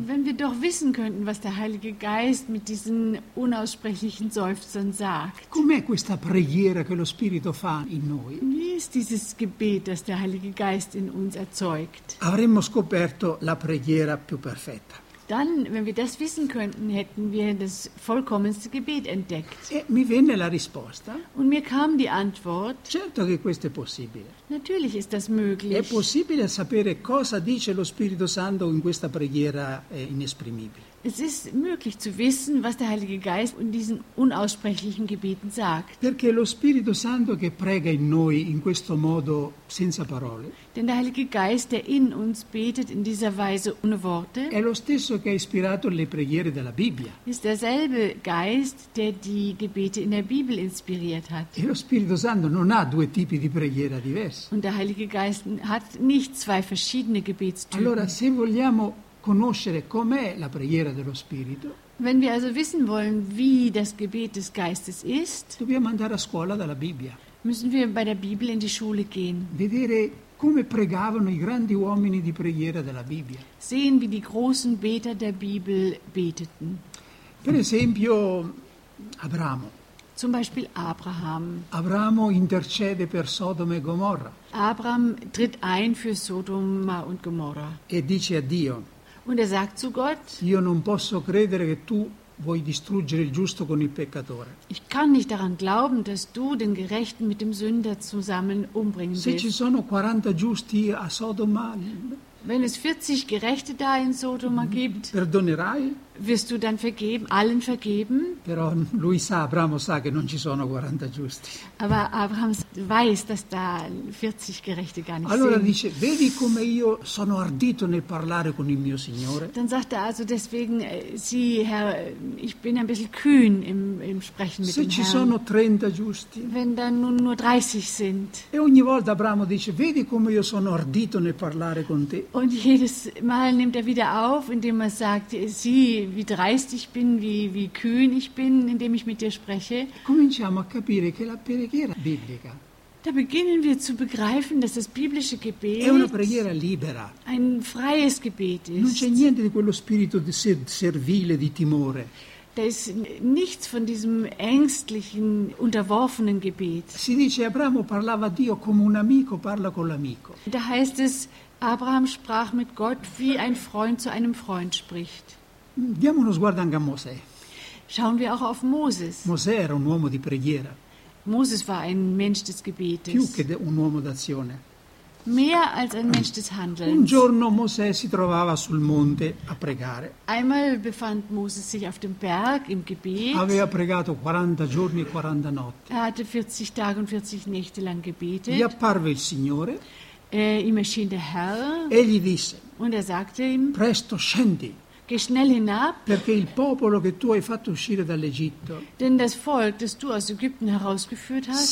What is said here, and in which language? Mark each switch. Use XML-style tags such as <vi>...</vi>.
<de>wenn wir doch wissen könnten, was der Heilige Geist mit diesen unaussprechlichen Seufzern sagt,</de> <it>com'è questa preghiera che lo Spirito fa in noi?</it> <de>Wie ist dieses Gebet, das der Heilige Geist in uns erzeugt?</de> <it>Avremmo scoperto la preghiera più perfetta.</it> <de>Dann, wenn wir das wissen könnten, hätten wir das vollkommenste Gebet entdeckt.</de> <it>E mi venne la risposta.</it> <de>Und mir kam die Antwort.</de> <it>Certo che questo è possibile.</it> <de>Natürlich ist das möglich.</de> <it>È possibile sapere cosa dice lo Spirito Santo in questa preghiera inesprimibile.</it> <de>Es ist möglich zu wissen, was der Heilige Geist in diesen unaussprechlichen Gebeten sagt.</de> <it>Perché lo Spirito Santo che prega in noi in questo modo senza parole.</it> <de>Denn der Heilige Geist, der in uns betet in dieser Weise ohne Worte.</de> <it>È lo stesso che ha ispirato le preghiere della Bibbia.</it> <de>Ist derselbe Geist, der die Gebete in der Bibel inspiriert hat.</de> <it>E lo Spirito Santo non ha due tipi di preghiera diversi.</it> <de>Und der Heilige Geist hat nicht zwei verschiedene Gebetstypen.</de> <it>Allora, se vogliamo conoscere com'è la preghiera dello Spirito.</it> <de>Wenn wir also wissen wollen, wie das Gebet des Geistes ist,</de> <it>dobbiamo andare a scuola dalla Bibbia.</it> <de>Müssen wir bei der Bibel in die Schule gehen.</de> <it>Vedere come pregavano i grandi uomini di preghiera della Bibbia.</it> <de>Sehen, wie die großen Beter der Bibel beteten.</de> <it>Per esempio Abramo.</it> <de>Zum Beispiel Abraham.</de> <it>Abramo intercede per Sodoma e Gomorra.</it> <de>Abraham tritt ein für Sodoma und Gomorra.</de> <it>E dice a Dio.</it> <de>Und er sagt zu Gott,</de> <it>io non posso credere che tu vuoi distruggere il giusto con il peccatore.</it> <de>Ich kann nicht daran glauben, dass du den Gerechten mit dem Sünder zusammen umbringen willst.</de> <it>Se ci sono 40 giusti a Sodoma,</it> <de>wenn es 40 Gerechte da in Sodoma gibt,</de> <it>perdonerai?</it> <de>Wirst du dann vergeben, allen vergeben?</de> <it>Però lui sa, Abramo sa che non ci sono 40 giusti.</it> <de>Aber Abraham weiß, dass da 40 Gerechte gar nicht</de> <it>allora</it> <de>sind.</de> <it>Dice, vedi come io sono ardito nel parlare con il mio Signore.</it> <de>Dann sagt er also deswegen, sieh Herr, ich bin ein bisschen kühn im Sprechen mit</de> <it>se Se ci sono 30 giusti.</it> <de>Wenn dann nur 30 sind.</de> <it>E ogni volta Abramo dice, vedi come io sono ardito nel parlare con te.</it> <de>Und jedes Mal nimmt er wieder auf, indem er sagt, sieh, wie dreist ich bin, wie kühn ich bin, indem ich mit dir spreche.</de> <it>Cominciamo a capire che la preghiera biblica.</it> <de>Da beginnen wir zu begreifen, dass das biblische Gebet</de> <it>è una preghiera libera.</it> <de>Ein freies Gebet ist.</de> <it>Non c'è niente di quello spirito di servile, di timore.</it> <de>Da ist nichts von diesem ängstlichen, unterworfenen Gebet.</de> <it>Si dice Abramo parlava a Dio come un amico parla con l'amico.</it> <de>Da heißt es, Abraham sprach mit Gott, wie ein Freund zu einem Freund spricht.</de> <it>Diamo uno sguardo anche a Mosè.</it> <de>Schauen wir auch auf Moses.</de> <it>Mosè era un uomo di preghiera.</it> <de>Moses war ein Mensch des Gebetes.</de> <it>Più che un uomo d'azione.</it> <de>Mehr als ein Mensch des Handelns.</de> <it>Un giorno Mosè si trovava sul monte a pregare.</it> <de>Einmal befand Moses sich auf dem Berg im Gebet.</de> <it>Aveva pregato 40 giorni e 40 notti.</it> <de>Er hatte 40 Tage und 40 Nächte lang gebetet.</de> <it>Gli apparve il Signore.</it> <de>Ihm erschien der Herr.</de> <it>E gli disse.</it> <de>Und er sagte ihm.</de> <it>Presto scendi.</it> <de>Geh schnell hinab,</de> <it>perché il popolo che tu hai fatto uscire dall'Egitto,</it> <de>denn das Volk, das du aus Ägypten herausgeführt hast,</de>